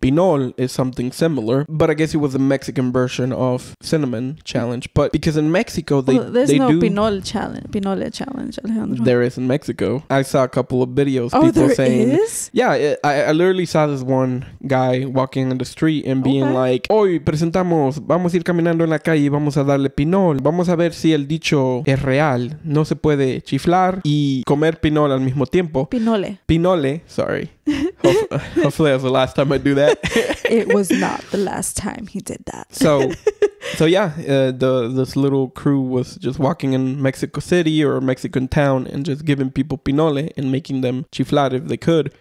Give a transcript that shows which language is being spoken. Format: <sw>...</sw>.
<en>Pinole is something similar. But I guess it was a Mexican version of cinnamon challenge. But because in Mexico, there's no pinole challenge. Pinole challenge, Alejandro. There is in Mexico. I saw a couple of videos. Oh, people there saying, is? Yeah. I literally saw this one guy walking on the street and being like,</en> <es>hoy presentamos... Vamos a ir caminando en la calle y vamos a darle pinol. Vamos a ver si el dicho es real. No se puede chiflar y comer pinol al mismo tiempo.</es> <en>Pinole. Pinole, sorry. Hopefully that's the last time I do that. It was not the last time he did that. So this little crew was just walking in Mexico City or Mexican town and just giving people pinole and making them chiflar if they could.</en>